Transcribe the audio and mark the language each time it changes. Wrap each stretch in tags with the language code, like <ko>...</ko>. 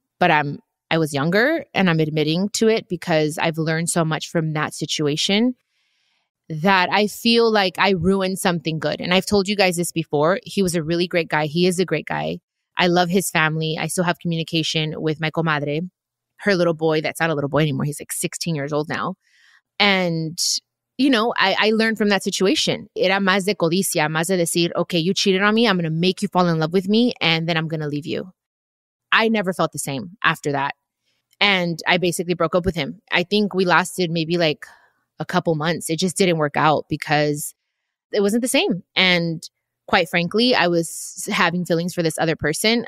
<en>But I was younger and I'm admitting to it because I've learned so much from that situation that I feel like I ruined something good. And I've told you guys this before. He was a really great guy. He is a great guy. I love his family. I still have communication with my comadre. Her little boy, that's not a little boy anymore. He's like 16 years old now. And, you know, I learned from that situation.</en> <es>Era más de codicia, más de decir,</es> <en>okay, you cheated on me. I'm going to make you fall in love with me. And then I'm going to leave you. I never felt the same after that. And I basically broke up with him. I think we lasted maybe like a couple months. It just didn't work out because it wasn't the same. And quite frankly, I was having feelings for this other person.</en>